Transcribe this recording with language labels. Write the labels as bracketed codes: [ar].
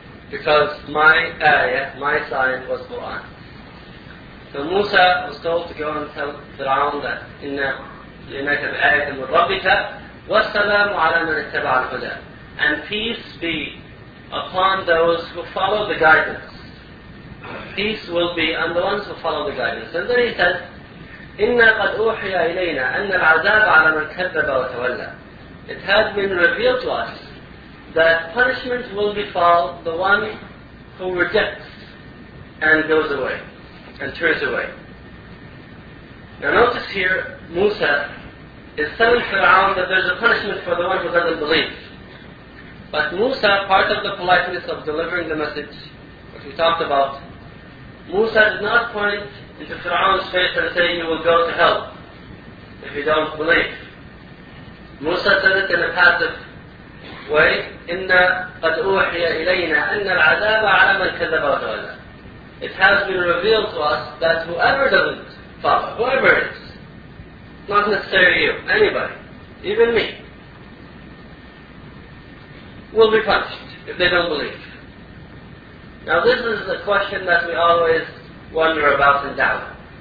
[en] Because my ayah, my sign was Quran." So Musa was told to go and tell Fir'aun that, [ar] "Inna لِنَكَ بِآيَةٍ مِنْ رَبِّكَ وَالسَّلَامُ عَلَى مَنِ اتَّبَعَ الْهُدَى." [en] And peace be upon those who follow the guidance. Peace will be on the ones who follow the guidance. And then he said, [ar] "إِنَّا قَدْ أُوحِيَ إِلَيْنَا أَنَّ الْعَذَابَ عَلَى مَنْ كَذَّبَ وَتَوَلَّى." [en] It has been revealed to us that punishment will befall the one who rejects and goes away and turns away. Now notice here, Musa is telling Fir'aun that there's a punishment for the one who doesn't believe. But Musa, part of the politeness of delivering the message, which we talked about, Musa did not point into Fir'aun's face and say, "You will go to hell if you don't believe." Musa said it in a passive way, [ar] "إِنَّ قَدْ أُوحِيَ إِلَيْنَا أَنَّ الْعَذَابَ عَلَى مَنْ كَذَبَ وَتَوَلَّى." [en] It has been revealed to us that whoever doesn't follow, whoever it is, not necessarily you, anybody, even me, will be punished if they don't believe. Now this is a question that we always wonder about in doubt.